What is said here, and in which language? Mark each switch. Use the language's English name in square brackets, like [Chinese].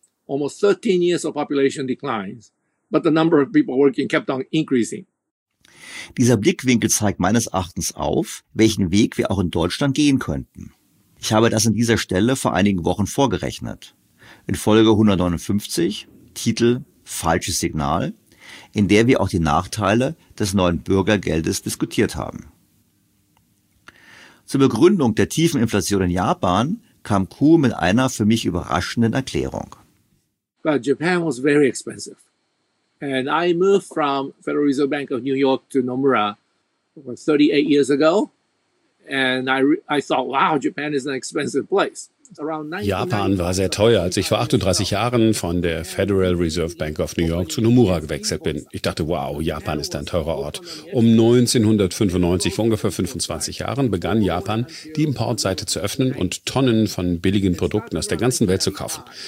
[English] Almost 13 years of population declines, but the number of people working kept on increasing. [German] Dieser Blickwinkel zeigt meines Erachtens auf, welchen Weg wir auch in Deutschland gehen könnten. Ich habe das an dieser Stelle vor einigen Wochen vorgerechnet. In Folge 159, Titel Falsches Signal, in der wir auch die Nachteile des neuen Bürgergeldes diskutiert haben. Zur Begründung der tiefen Inflation in Japan kam Ku mit einer für mich überraschenden Erklärung. [English] But Japan was very expensive. And I moved from Federal Reserve Bank of New York to Nomura 38 years ago. And I thought, wow, Japan is an expensive place. [German] Japan war sehr teuer, als ich vor 38 Jahren von der Federal Reserve Bank of New York zu Nomura gewechselt bin. Ich dachte, wow, Japan ist ein teurer Ort. Um 1995, vor ungefähr 25 Jahren, begann Japan, die Importseite zu öffnen und Tonnen von billigen Produkten aus der ganzen Welt zu kaufen.